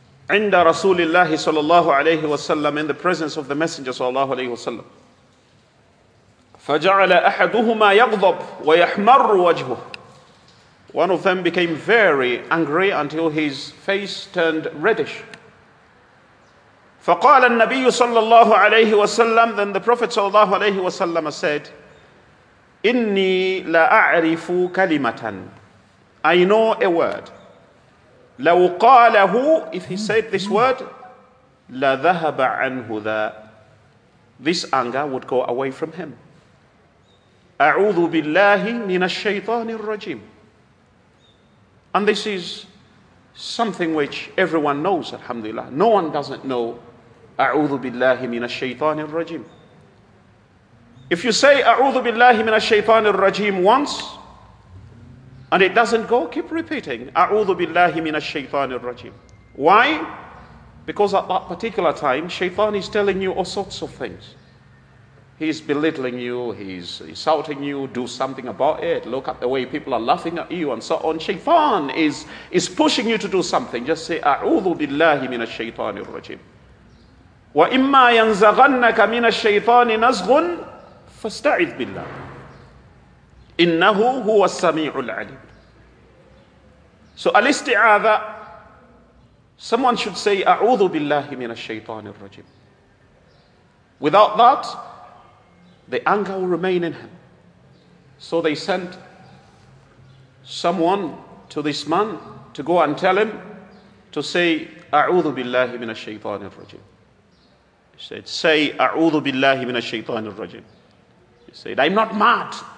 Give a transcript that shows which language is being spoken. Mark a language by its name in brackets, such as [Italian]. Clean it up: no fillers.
[Arabic] Inda Rasulillah sallallahu alayhi wa sallam, [English] in the presence of the Messenger sallallahu alayhi wa sallam. [Arabic] Faja'ala ahaduhuma yaghdhab wa yahmarru wajhuh. [English] One of them became very angry until his face turned reddish. [Arabic] فَقَالَ النَّبِيُّ صَلَّى اللَّهُ عَلَيْهِ وَسَلَّمُ [English] Then the Prophet [Arabic] صلى الله عليه وسلم [English] said, [Arabic] إِنِّي لَأَعْرِفُ كَلِمَةً [English] I know a word. [Arabic] لَوْ قَالَهُ [English] If he said this word, [Arabic] لَذَهَبَ عَنْهُ ذَا [English] This anger would go away from him. [Arabic] أَعُوذُ بِاللَّهِ مِنَ الشَّيْطَانِ الرَّجِيمِ [English] And this is something which everyone knows, alhamdulillah. No one doesn't know [Arabic] أَعُوذُ بِاللَّهِ مِنَ الشَّيْطَانِ الرَّجِيمِ [English] If you say أَعُوذُ بِاللَّهِ مِنَ الشَّيْطَانِ الرَّجِيمِ once and it doesn't go, keep repeating أَعُوذُ بِاللَّهِ مِنَ الشَّيْطَانِ الرَّجِيمِ Why? Because at that particular time, shaitan is telling you all sorts of things. He's belittling you, he's insulting you, do something about it, look at the way people are laughing at you and so on. Shaitan is pushing you to do something. [Arabic] Just say, أَعُوذُ بِاللَّهِ مِنَ الشَّيْطَانِ الرَّجِيمِ وَإِمَّا يَنْزَغَنَّكَ مِنَ الشَّيْطَانِ نَزْغٌ فَاسْتَعِذْ بِاللَّهِ إِنَّهُ هُوَ السَّمِيعُ الْعَلِيمُ [English] So al-isti'adha, someone should say, [Arabic] أَعُوذُ بِاللَّهِ مِنَ الشَّيْطَانِ الرَّجِيمِ [English] Without that, the anger will remain in him. So they sent someone to this man to go and tell him to say, [Arabic] أَعُوذُ بِاللَّهِ مِنَ الشَّيْطَانِ الرَّجِيمِ [English] He said, say, أَعُوذُ بِاللَّهِ مِنَ الشَّيْطَانِ الرَّجِيمِ He said, I'm not mad.